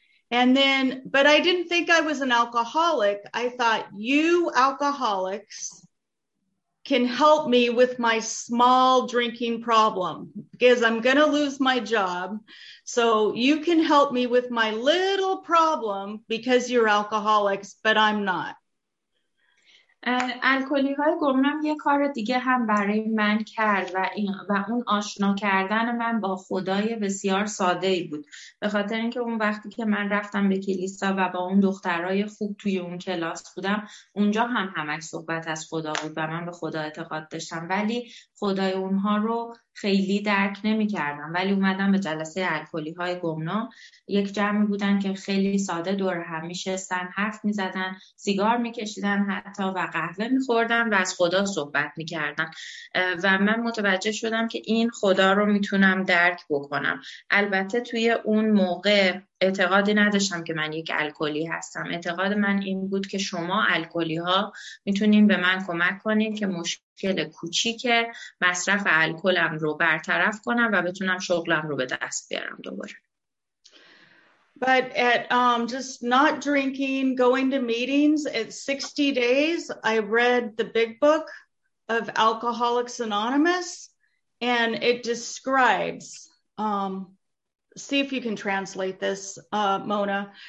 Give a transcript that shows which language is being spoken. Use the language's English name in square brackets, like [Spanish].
[English] And then, but I didn't think I was an alcoholic. I thought you alcoholics can help me with my small drinking problem because I'm going to lose my job. So you can help me with my little problem because you're alcoholics, but I'm not. [Persian] الکلی های گمنام یه کار دیگه هم برای من کرد و این و اون آشنا کردن من با خدای بسیار ساده ای بود، به خاطر اینکه اون وقتی که من رفتم به کلیسا و با اون دخترای خوب توی اون کلاس بودم، اونجا هم همش صحبت از خدا بود و من به خدا اعتقاد داشتم، ولی خدای اونها رو خیلی درک نمی کردم. ولی اومدم به جلسه الکلی های گمنام، یک جمعی بودن که خیلی ساده دور هم می شستن، حرف می زدن، سیگار می کشیدن حتی و قهوه می خوردن و از خدا صحبت می کردن و من متوجه شدم که این خدا رو می تونم درک بکنم. البته توی اون موقع اعتقادی نداشتم که من یک الکلی هستم، اعتقاد من این بود که شما الکلی ها میتونین به من کمک کنین که مشکل کوچیک مصرف الکلم رو برطرف کنم و بتونم شغلم رو به دست بیارم دوباره. [English] But at just not drinking, going to meetings at 60 days, I read the big book of Alcoholics Anonymous and it describes see if you can translate this, Mona.